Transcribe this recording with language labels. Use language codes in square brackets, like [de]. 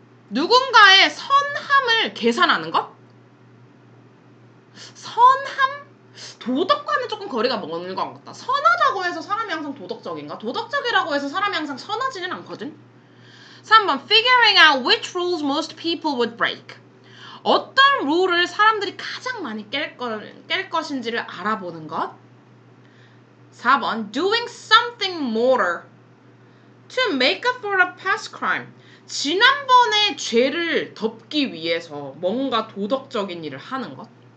[ko] 누군가의 선함을 계산하는 것? 선함? 도덕과는 조금 거리가 먼 것 같다. 선하다고 해서 사람이 항상 도덕적인가? 도덕적이라고 해서 사람이 항상 선하지는 않거든? [en] 3번, figuring out which rules most people would break. [ko] 어떤 룰을 사람들이 가장 많이 깰 것인지를 알아보는 것. [en] 4번, doing something more to make up for a past crime. [ko] 지난번의 죄를 덮기 위해서 뭔가 도덕적인 일을 하는 것.